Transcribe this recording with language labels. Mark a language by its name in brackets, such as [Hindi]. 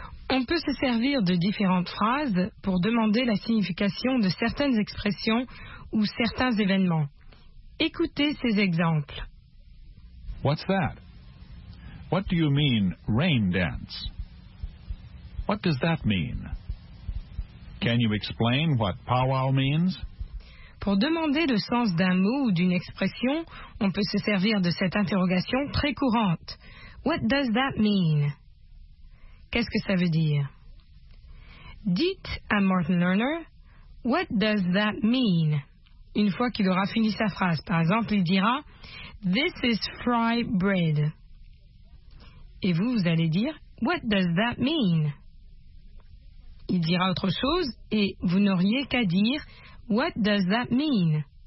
[French] On peut se servir de différentes phrases pour demander la signification de certaines expressions ou certains événements. Écoutez ces exemples. [English] What's that? What do you mean, rain dance? What does that mean? Can you explain what powwow means? [French] Pour demander le sens d'un mot ou d'une expression, on peut se servir de cette interrogation très courante. [English] What does that mean? [French] Qu'est-ce que ça veut dire? Dites à Martin Lerner, [English] What does that mean? [French] Une fois qu'il aura fini sa phrase, par exemple, il dira, [English] This is fry bread. [French] Et vous, vous allez dire, [English] What does that mean? [French] Il dira autre chose et vous n'auriez qu'à dire, What does that mean?